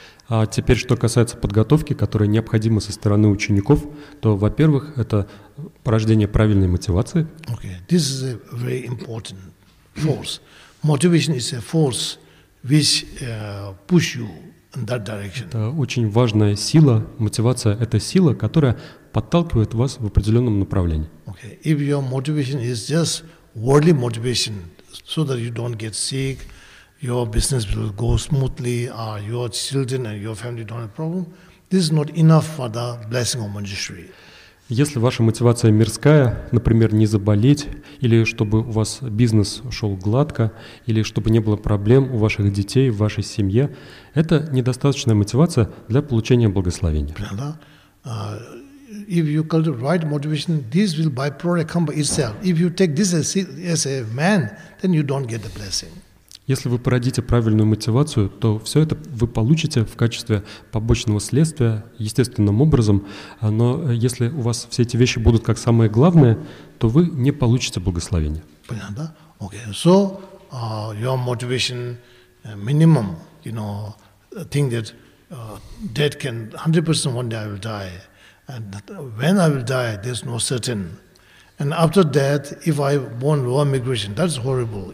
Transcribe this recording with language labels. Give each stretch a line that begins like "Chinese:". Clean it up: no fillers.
Russian: А теперь, что касается подготовки, которая необходима со стороны учеников, то, во-первых, это порождение правильной мотивации.
English: Okay, this is a very important force. Motivation is a force which push you in that direction.
Russian: Это очень важная сила. Мотивация – это сила, которая подталкивает вас в определенном направлении.
English: Okay. If your motivation is just worldly motivation, so that you don't get sick, your business will go smoothly, your children and your family don't have problem, this is not enough for the blessing of Manjushri.
Russian: Если ваша мотивация мирская, например, не заболеть, или чтобы у вас бизнес шел гладко, или чтобы не было проблем у ваших детей, в вашей семье, это недостаточная мотивация для получения благословения.
English: If you call the right motivation, this will byproduct come by itself. If you take this as a man, then you don't get the blessing.
Russian: Если вы породите правильную мотивацию, то все это вы получите в качестве побочного следствия естественным образом. Но если у вас все эти вещи будут как самое главное, то вы не получите благословения. Понятно? Okay.
English: So your motivation minimum, you know, think that death can 100% one day I will die. And when I will die, there's no certain. And after that, if I born lower migration, that's horrible.